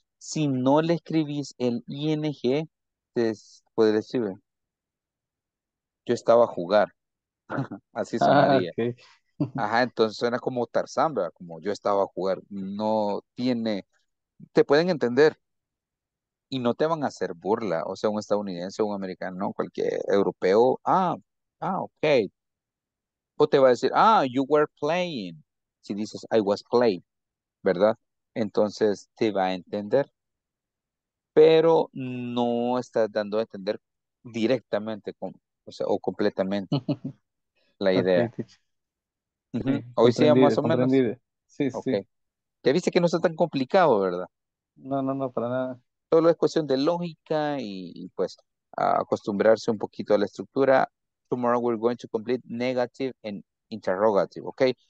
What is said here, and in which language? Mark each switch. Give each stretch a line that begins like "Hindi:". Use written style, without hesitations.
Spanish: Si no le escribís el ing, puede decir, yo estaba a jugar. Así sonaría. Ah, okay. Ajá, entonces suena como Tarzán, ¿verdad? Como yo estaba a jugar. No tiene, te pueden entender. Y no te van a hacer burla. O sea, un estadounidense, un americano, cualquier europeo. Ah, ok. O te va a decir, ah,
English: you were playing.
Spanish: Si dices,
English: I was playing,
Spanish: ¿verdad? Entonces, te va a entender. Pero no estás dando a entender directamente con, o sea, o completamente la idea. Okay. Uh-huh. Hoy sí, más o menos. Sí, okay. Sí. Ya viste que no está tan complicado, ¿verdad? No, para nada. Solo es cuestión de lógica y pues acostumbrarse un poquito a la estructura.
English: Tomorrow we're going to complete negative and interrogative, okay?